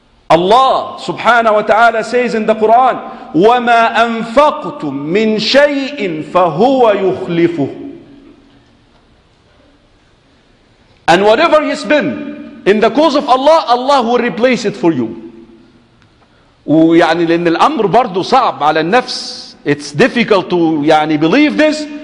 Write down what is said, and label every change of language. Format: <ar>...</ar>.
<en>Allah subhanahu wa ta'ala says in the Quran,</en> <ar>وَمَا أَنْفَقْتُمْ مِنْ شَيْءٍ فَهُوَ يُخْلِفُهُ.</ar> <en>And whatever you spend in the cause of Allah, Allah will replace it for you.</en> <ar>ويعني لأن الأمر برضو صعب على النفس.</ar> <en>It's difficult to يعني believe this.</en>